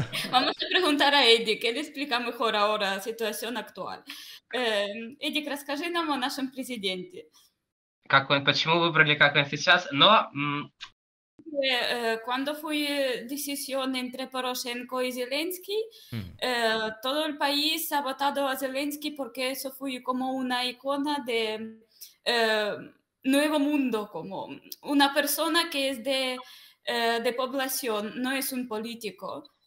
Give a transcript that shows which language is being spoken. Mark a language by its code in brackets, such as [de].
[es] Vamos a preguntar a Edik, él explica mejor ahora la situación actual. [ru] Edik, расскажи нам о нашем президенте. Как он, почему выбрали, как он сейчас? Но [es] Cuando fue decisión entre Poroshenko y Zelensky, todo el país ha votado a Zelensky porque eso fue como una icona de nuevo mundo, como una persona que es de población, no es un político.